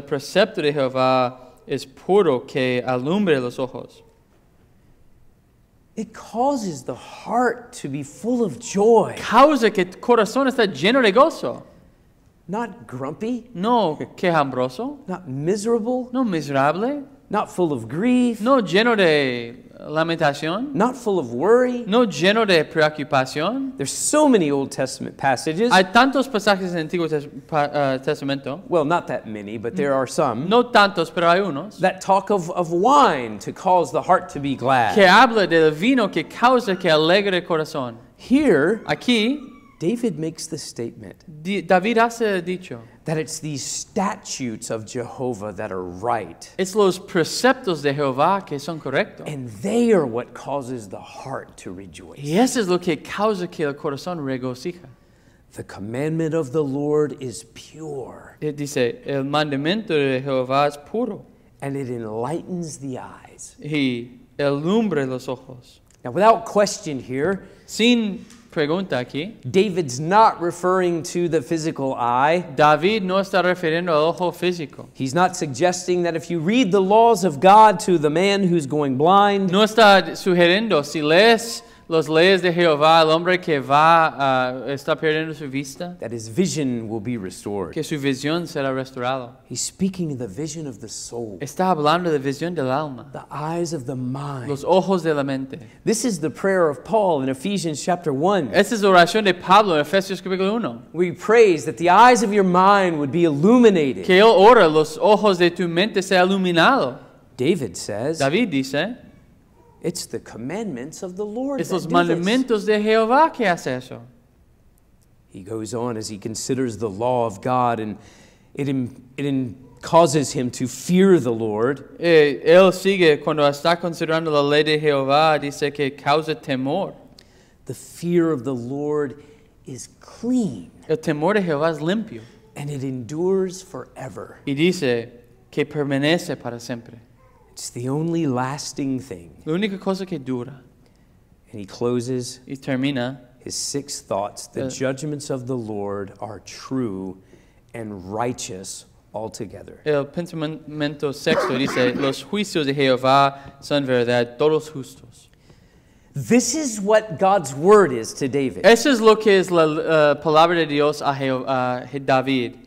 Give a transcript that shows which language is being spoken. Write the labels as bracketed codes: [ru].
[es] Precepto de Jehová es puro que alumbre los ojos. [en] It causes the heart to be full of joy. [es] Causa que el corazón está lleno de gozo. [en] Not grumpy. [es] No quejumbroso. [en] Not miserable. [es] No miserable. [en] Not full of grief. [es] No lleno de lamentación. [en] Not full of worry. [es] No lleno de preocupación. [en] There's so many Old Testament passages. [es] Hay tantos pasajes en el Antiguo Testamento. [en] Well, not that many, but there are some. [es] No tantos, pero hay unos. [en] That talk of wine to cause the heart to be glad. [es] Que habla del vino que causa que alegre el corazón. [en] Here, [es] aquí, [en] David makes the statement. [es] David hace dicho. [en] That it's these statutes of Jehovah that are right. [es] Es los preceptos de Jehová que son correctos. [en] And they are what causes the heart to rejoice. [es] Y eso es lo que causa que el corazón regocija. [en] The commandment of the Lord is pure. [es] It dice, el mandamiento de Jehová es puro. [en] And it enlightens the eyes. [es] Y alumbra los ojos. [en] Now, without question here, [es] sin pregunta aquí. [en] David's not referring to the physical eye. [es] David no está refiriendo al ojo físico. [en] He's not suggesting that if you read the laws of God to the man who's going blind. [es] No está sugiriendo si lees las leyes de Jehová al hombre que va está perdiendo su vista. [en] That his vision will be restored. [es] Que su visión será restaurado. [en] He's speaking the vision of the soul. [es] Está hablando de visión del alma. [en] The eyes of the mind. [es] Los ojos de la mente. [en] This is the prayer of Paul in Ephesians chapter 1. [es] Esta es la oración de Pablo en Efesios capítulo 1. [en] We praise that the eyes of your mind would be illuminated. [es] Que él ora los ojos de tu mente sea iluminado. [en] David says. [es] David dice. [en] It's the commandments of the Lord. [es] Es los mandamientos de Jehová que hace eso. [en] He goes on as he considers the law of God and it causes him to fear the Lord. [es] Él sigue cuando está considerando la ley de Jehová, dice que causa temor. [en] The fear of the Lord is clean. [es] El temor de Jehová es limpio. [en] And it endures forever. [es] Y dice que permanece para siempre. [en] It's the only lasting thing. [es] La única cosa que dura. [en] And he closes. [es] Y termina. [en] His six thoughts. The judgments of the Lord are true and righteous altogether. [es] El pensamiento sexto dice, los juicios de Jehová son verdad, todos justos. [en] This is what God's word is to David. [es] Eso es lo que es la palabra de Dios a David.